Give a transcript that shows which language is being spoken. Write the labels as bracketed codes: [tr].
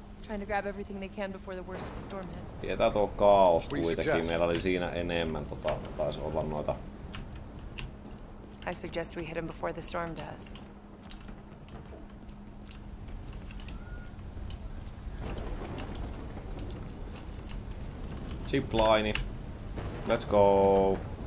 [en] Trying to grab everything they can before the worst of the storm hits. [fi] Tietää tuo kaos kuitenkin. Meillä oli siinä enemmän tota... Taisi olla noita... [en] I suggest we hit him before the storm does. Zipline. Let's go.